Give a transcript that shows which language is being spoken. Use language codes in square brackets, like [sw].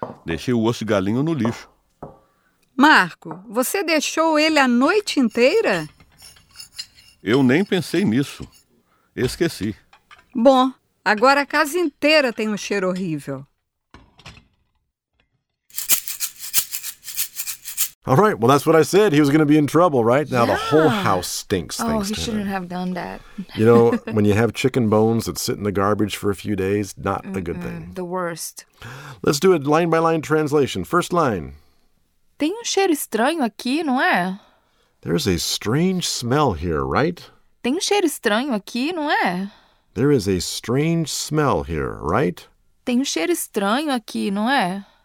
[pt] Deixei o osso de galinha no lixo. Marco, você deixou ele a noite inteira? Eu nem pensei nisso. Esqueci. Bom, agora a casa inteira tem um cheiro horrível. [en] All right, well, that's what I said. He was going to be in trouble, right? Yeah. Now the whole house stinks. Oh, he shouldn't have done that. You know, when you have chicken bones that sit in the garbage for a few days, not a good thing. The worst. Let's do a line-by-line translation. First line. [pt] Tem cheiro estranho aqui, não é? [en] There's a strange smell here, right? [pt] Tem cheiro estranho aqui, não é? [en] There is a strange smell here, right? [pt] Tem cheiro estranho aqui, não é?